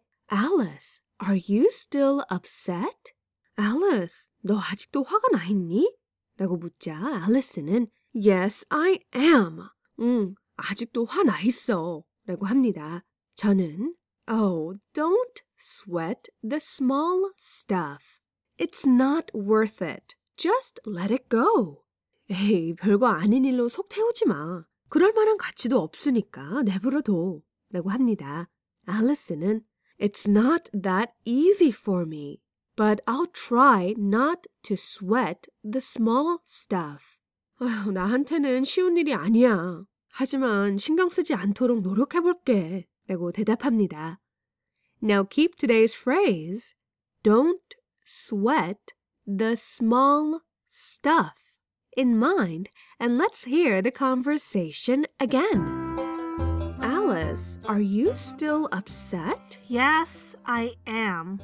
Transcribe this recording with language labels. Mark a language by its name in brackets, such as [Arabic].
[English] Alice, are you still upset? [Korean] Alice, 너 아직도 화가 나 있니? 라고 묻자 Alice는 [English] Yes, I am. [Korean] 아직도 화 나 있어. 라고 합니다. 저는 [English] Oh, don't sweat the small stuff. It's not worth it. Just let it go. [Korean] 에이, 별거 아닌 일로 속 태우지 마. 그럴 만한 가치도 없으니까 내버려 둬. 라고 합니다. [English] Alice는 It's not that easy for me, but I'll try not to sweat the small stuff. [Korean] 어휴, 나한테는 쉬운 일이 아니야. 하지만 신경 쓰지 않도록 노력해볼게. 라고 대답합니다. [English] Now keep today's phrase. Don't sweat the small stuff in mind and let's hear the conversation again. Alice, are you still upset? Yes, I am.